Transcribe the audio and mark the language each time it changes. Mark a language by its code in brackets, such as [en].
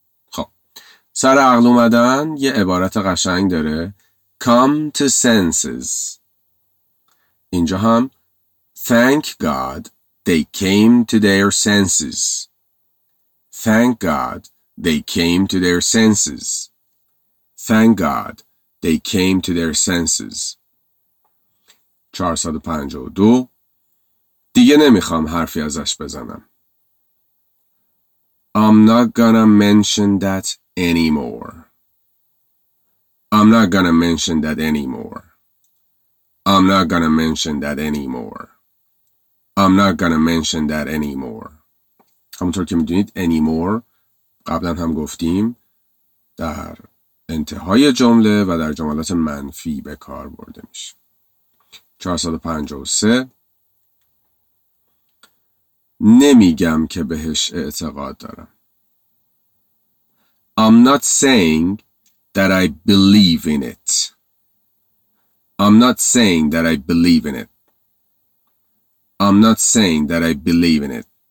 [fa] خب سر عقل اومدن یه عبارت قشنگ داره. [en] Come to senses. [fa] اینجا هم [en] Thank God they came to their senses. Thank God they came to their senses. Thank God they came to their senses. 452. [fa] دیگه نمیخوام حرفی ازش بزنم. [en] I'm not gonna mention that anymore. I'm not gonna mention that anymore. I'm not gonna mention that anymore. I'm not gonna mention that anymore. [fa] همونطور که میدونید anymore قبلا هم گفتیم در انتهای جمله و در جملات منفی به کار برده میشه. 453. نمیگم که بهش اعتقاد دارم. [en] I'm not saying that I believe in it. I'm not saying that I believe in it. I'm not saying that I believe in it.